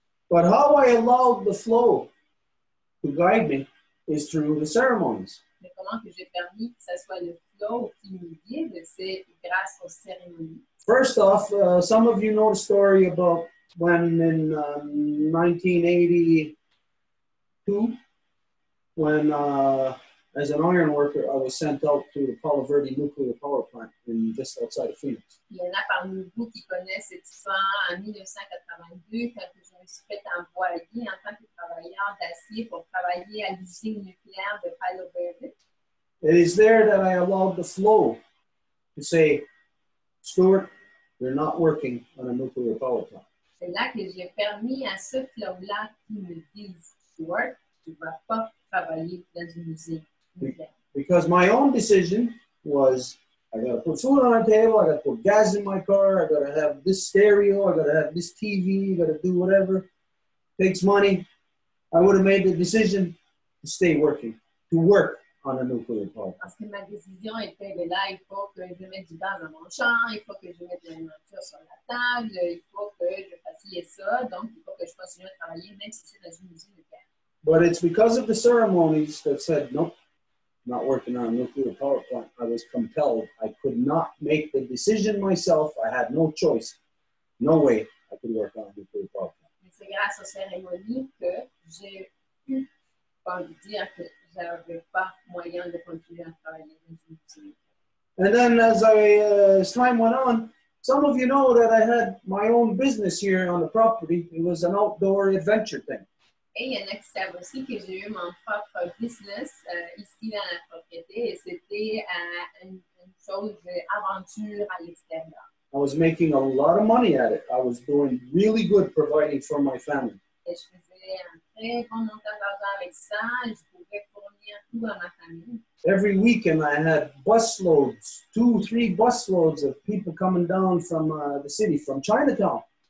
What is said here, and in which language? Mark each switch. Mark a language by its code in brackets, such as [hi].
[en] But how I allow the flow to guide me is through the ceremonies. [fr] Mais comment que j'ai permis que ce soit le flow qui me guide, c'est grâce aux cérémonies. [en] First off, some of you know the story about when in 1982, when as an iron worker, I was sent out to the Palo Verde nuclear power plant in just outside of Phoenix. [fr] Il y en a parmi vous qui connaissent cette histoire en 1982, quand je me suis fait envoyer en tant que travailleur d'acier pour travailler à l'usine nucléaire de Palo Verde. [en] It is there that I allowed the flow to say, Stuart, you're not working on a nuclear power plant. [fr] C'est là que j'ai permis à ce flow-là qui me dise, Stuart, tu ne vas pas travailler dans une usine. [en] Because my own decision was, I got to put food on the table, I got to put gas in my car, I got to have this stereo, I got to have this TV, I got to do whatever. It takes money. I would have made the decision to stay working, to work on a nuclear power. [fr] Parce que ma décision était, ben là, il faut que je mette du gaz dans mon champ, il faut que je mette de la nourriture sur la table, il faut que je fasse ça, donc il faut que je continue à travailler, même si c'est dans une usine nucléaire. [en] But it's because of the ceremonies that said, no, not working on a nuclear power plant. I was compelled. I could not make the decision myself. I had no choice. No way I could work on a nuclear power plant. [fr] C'est grâce aux cérémonies que j'ai pu dire que j'avais pas moyen de continuer à travailler dans une usine. [en] And then as I as time went on, some of you know that I had my own business here on the property. It was an outdoor adventure thing. [fr] Et il y en a qui savent aussi que j'ai eu mon propre business ici dans la propriété et c'était une chose d'aventure à l'extérieur. [en] I was making a lot of money at it. I was doing really good providing for my family. [fr] Et je faisais un très bon montant d'argent avec ça. Je pouvais fournir tout à ma famille. [en] Every weekend I had busloads, 2-3 busloads of people coming down from the city, from Chinatown.